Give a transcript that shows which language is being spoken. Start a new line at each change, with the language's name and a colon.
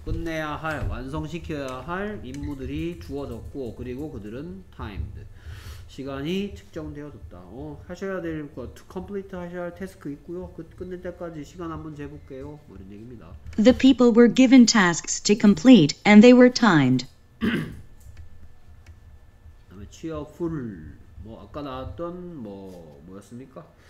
Korean: 끝내야 할, 완성시켜야 할 임무들이 주어졌고, 그리고 그들은 timed. 시간이 측정되어졌다. 하셔야 될 거, to complete 하셔야 할 task 있고요. 그 끝낼 때까지 시간 한번 재볼게요. 뭐 이런 얘기입니다.
English: The people were given tasks to complete, and they were timed. Cheerful.
Korean: 뭐 아까 나왔던 뭐 뭐였습니까?